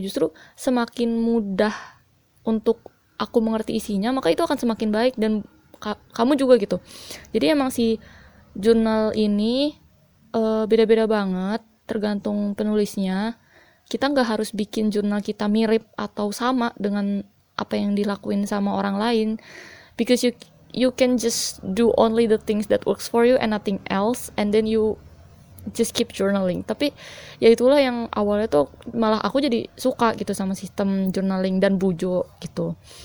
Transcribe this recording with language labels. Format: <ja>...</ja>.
<id>Justru semakin mudah untuk aku mengerti isinya, maka itu akan semakin baik. Dan kamu juga gitu. Jadi emang si jurnal ini beda-beda banget tergantung penulisnya. Kita gak harus bikin jurnal kita mirip atau sama dengan apa yang dilakuin sama orang lain.</id> <en>Because you can just do only the things that works for you and nothing else, and then you just keep journaling.</en> <id>Tapi ya itulah yang awalnya tuh malah aku jadi suka gitu sama sistem journaling dan Bujo gitu.</id>